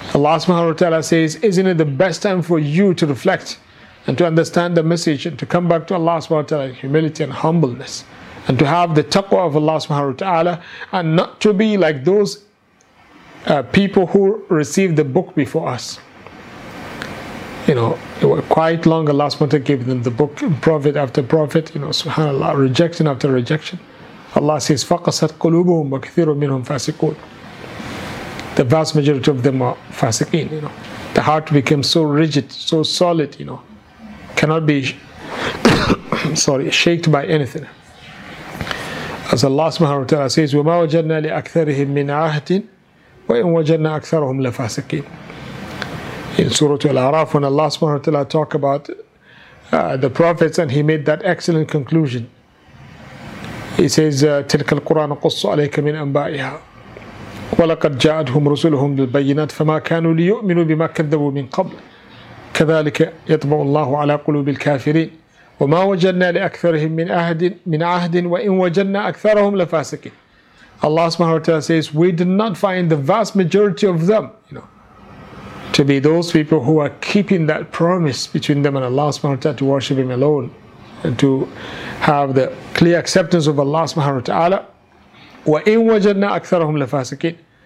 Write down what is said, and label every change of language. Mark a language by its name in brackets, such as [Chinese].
[English] Allah subhanahu wa ta'ala says, isn't it the best time for you to reflect and to understand the message and to come back to Allah subhanahu wa ta'ala in humility and humbleness and to have the taqwa of Allah subhanahu wa ta'ala and not to be like those people who received the book before us. You know, it was quite long, Allah subhanahu wa ta'ala gave them the book, prophet after prophet, you know, subhanAllah, rejection after rejection. Allah says, [Arabic] فَقَسَتْ قُلُوبُهُمْ وَكَثِيرٌ مِّنْهُمْ فَاسِقُونَ. [English] The vast majority of them are fasiqeen, you know. The heart became so rigid, so solid, you know. Cannot be, shaked by anything. As Allah subhanahu wa ta'ala says, [Arabic] وَمَا وَجَدْنَا لِأَكْثَرِهِمْ مِّنْ عَهْدٍ وَإِنْ وَجَدْنَا أَكْثَرُهُمْ لَفَاسِقِينَ. [English] In Surah Al-Araf, when Allah subhanahu wa ta'ala talk about the prophets and he made that excellent conclusion, he says, [Arabic] تِلْكَ الْقُرَانُ قُصُّ عَلَيْكَ مِنْ أَنْبَائِهَا وَلَقَدْ جَاءَتْهُمْ رُسُلُهُمْ بِالْبَيِّنَاتِ فَمَا كَانُوا لِيُؤْمِنُوا بِمَا كَذَّبُوا مِنْ قَبْلُ كَذَلِكَ يَطْبَعُ اللَّهُ عَلَى قُلُوبِ الْكَافِرِينَ وَمَا وَجَدْنَا لِأَكْثَرِهِمْ مِنْ عَهْدٍ وَإِنْ وَجَدْنَا أَكْثَرَهُمْ لَفَاسِقِينَ. [English] Allah subhanahu wa ta'ala says, we did not find the vast majority of them, you know, to be those people who are keeping that promise between them and Allah subhanahu wa ta'ala to worship Him alone and to have the clear acceptance of Allah subhanahu wa ta'ala. [Arabic] وَإِنْ وَجَدْنَا أَكْثَرَهُمْ لَفَاسِقِينَ.